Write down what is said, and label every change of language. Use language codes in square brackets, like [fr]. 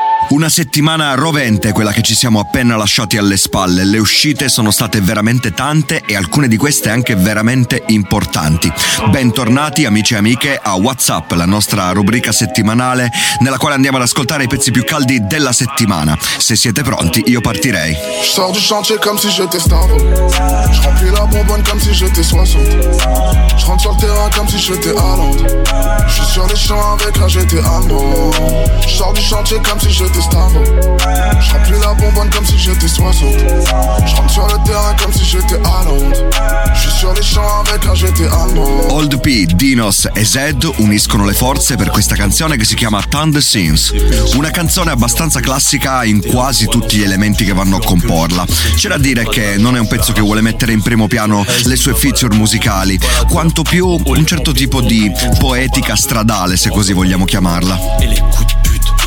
[it] Una settimana rovente quella che ci siamo appena lasciati alle spalle. Le uscite sono state veramente tante e alcune di queste anche veramente importanti. Bentornati amici e amiche a What's Up, la nostra rubrica settimanale nella quale andiamo ad ascoltare i pezzi più caldi della settimana. Se siete pronti, io partirei. [fr] Sors du chantier comme si j'étais stable. Je remplis la bonbonne comme si j'étais 60. Je rentre sur le terrain comme si j'étais à Londres. Je suis sur les champs avec un GT allemand. Je sors du chantier comme si j'étais stable. Je remplis la bonbonne comme si j'étais 60. Je rentre sur le terrain comme si j'étais à Londres. Je suis sur les champs avec un GT allemand. [it] Old P, Dinos e Zed uniscono le forze per questa canzone che si chiama Thunder Sins. Una canzone abbastanza classica in quasi tutti gli elementi che vanno a comporla. C'è da dire che non è un pezzo che vuole mettere in primo piano le sue feature musicali, quanto più un certo tipo di poetica stradale, se così vogliamo chiamarla.